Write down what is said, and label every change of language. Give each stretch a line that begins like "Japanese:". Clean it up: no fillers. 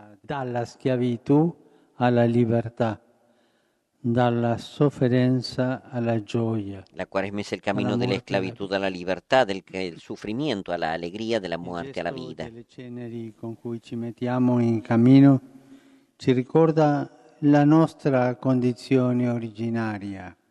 Italian: Dalla schiavitù alla libertà. Dalla sofferenza alla gioia.
Spanish: La Cuaresma es el camino de la esclavitud a la libertad, del sufrimiento a la alegría, de la muerte a la vida.
Italian: Il gesto delle ceneri con cui ci mettiamo in cammino ci ricorda la nostra condizione originaria.